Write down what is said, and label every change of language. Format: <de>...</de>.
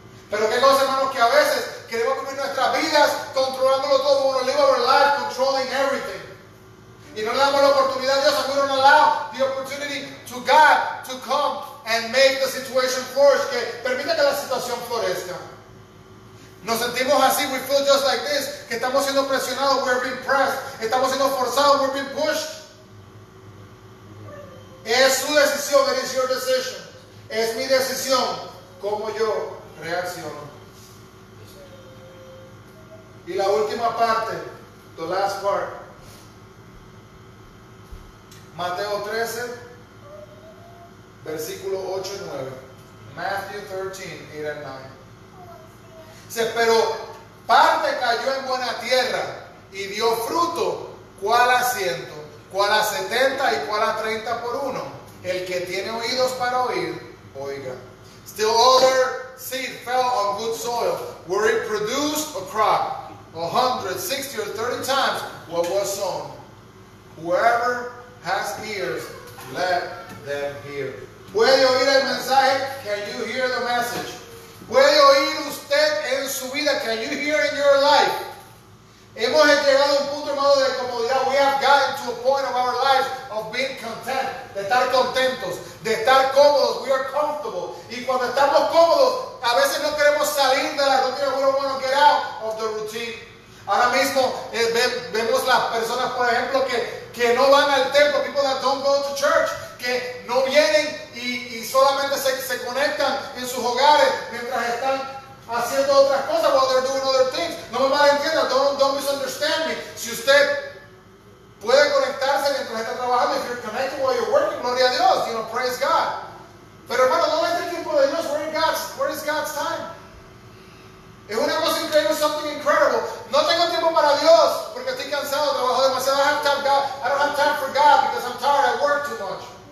<es>Pero qué cosa, hermanos, que a veces queremos vivir nuestras vidas controlándolo todo.</es> <en>We're going to live our life controlling everything.</en> <es>Y no le damos la oportunidad a Dios.</es> <en>We don't allow the opportunity to God to come and make the situation flourish.</en> <es>Que permita que la situación florezca. Nos sentimos así,</es> <en>we feel just like this,</en> <es>que estamos siendo presionados,</es> <en>we're being pressed,</en> <es>estamos siendo forzados,</es> <en>we're being pushed.</en> <es>Es su decisión,</es> <en>it is your decision.</en> <es>Es mi decisión, cómo yo reacciono. Y la última parte,</es> <en>the last part.</en> <es>Mateo 13, versículo 8 y 9.</es> <en>Matthew 13, 8 and 9.</en> <es>Dice, pero parte cayó en buena tierra y dio fruto, cual a ciento, cual a 70 y cual a 30 por uno. El que tiene oídos para oír, oiga.</es> <en>Still other seed fell on good soil, where it produced a crop, 100, 60, or 30 times what was sown. Whoever has ears, let them hear.</en> <es>¿Puede oír el mensaje?</es> <en>Can you hear the message?</en> <es>¿Puede oír usted en su vida?</es> <en>Can you hear in your life?</en> <es>Hemos llegado a un punto, hermano, de comodidad.</es> <en>We have gotten to a point of our lives of being content,</en> <es>de estar contentos, de estar cómodos.</es> <en>We are comfortable.</en> <es>Y cuando estamos cómodos, a veces no queremos salir de la rutina.</es> <en>We don't want to get out of the routine.</en> <es>Ahora mismo vemos las personas, por ejemplo, que no van al templo.</es> <en>People that don't go to church,</en> <es>que no vienen y solamente se conectan en sus hogares mientras están haciendo otras cosas,</es> <en>while they're doing other things.</en> <es>No me malentiendan,</es> <en>don't misunderstand me.</en> <es>Si usted puede conectarse mientras está trabajando,</es> <en>if you're connected while you're working,</en> <es>gloria a Dios,</es> <en>you know, praise God.</en> <es>Pero hermano, no le dé tiempo de Dios.</es> <en>Where is God's time?</en> <es>Es una cosa increíble,</es> <en>something incredible.</en> <es>No tengo tiempo para Dios porque estoy cansado, trabajo demasiado.</es> <en>I don't have time for God because I'm tired, I work too much.</en>